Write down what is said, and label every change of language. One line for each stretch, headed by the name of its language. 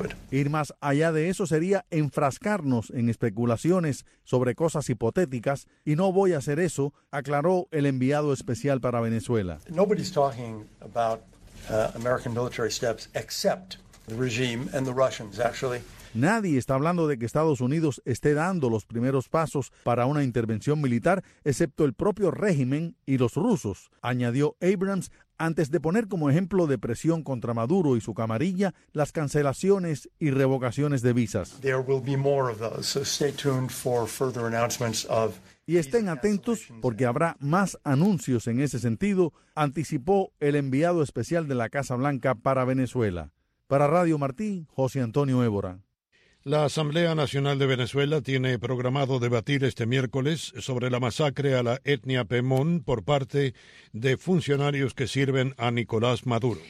Spanish: Ir más allá de eso sería enfrascarnos en especulaciones sobre cosas hipotéticas, y no voy a hacer eso, aclaró el enviado especial para Venezuela.
English: Nobody's talking about American military steps except the regime and the Russians, actually.
Spanish: Nadie está hablando de que Estados Unidos esté dando los primeros pasos para una intervención militar, excepto el propio régimen y los rusos, añadió Abrams antes de poner como ejemplo de presión contra Maduro y su camarilla las cancelaciones y revocaciones de visas.
English: There will be more of those, so stay tuned for further announcements of.
Spanish: Y estén atentos porque habrá más anuncios en ese sentido, anticipó el enviado especial de la Casa Blanca para Venezuela. Para Radio Martí, José Antonio Évora. La Asamblea Nacional de Venezuela tiene programado debatir este miércoles sobre la masacre a la etnia Pemón por parte de funcionarios que sirven a Nicolás Maduro.